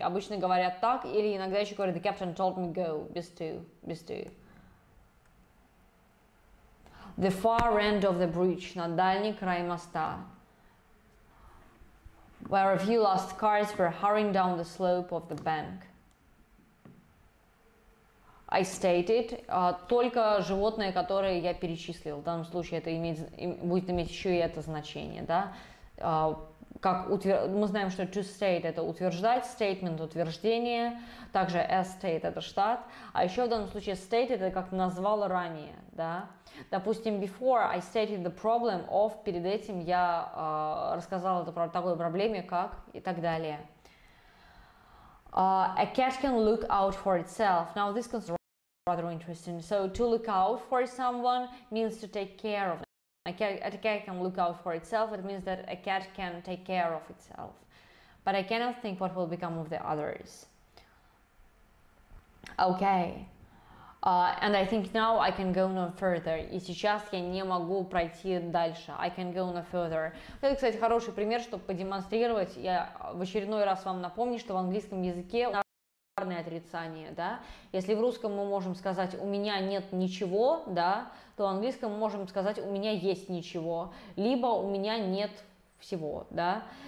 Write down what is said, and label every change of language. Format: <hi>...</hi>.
<ru>Обычно говорят так, или иногда еще говорят,</ru> <en>the captain told me go,</en> <ru>без to.</ru> <en>The far end of the bridge,</en> <ru>на дальний край моста.</ru> <en>Where a few last cars were hurrying down the slope of the bank. I stated,</en> <ru>только животные, которые я перечислил, в данном случае это будет иметь еще и это значение, да? как мы знаем, что to state это утверждать, statement утверждение, также a state это штат, а еще в данном случае state это как назвал ранее, да? Допустим,</ru> <en>before I stated the problem of,</en> <ru>перед этим я рассказала о такой проблеме, как и так далее.</ru> <en>A cat can look out for itself. Now this is rather interesting. So to look out for someone means to take care of. A cat can look out for itself. It means that a cat can take care of itself. But I cannot think what will become of the others. Okay. And I think now I can go no further.</en> <ru>И сейчас я не могу пройти дальше.</ru> <en>I can go no further.</en> <ru>Это, кстати, хороший пример, чтобы продемонстрировать. Я в очередной раз вам напомню, что в английском языке ударное отрицание, да? Если в русском мы можем сказать «у меня нет ничего», да, то в английском мы можем сказать «у меня есть ничего», либо «у меня нет всего», да?</ru>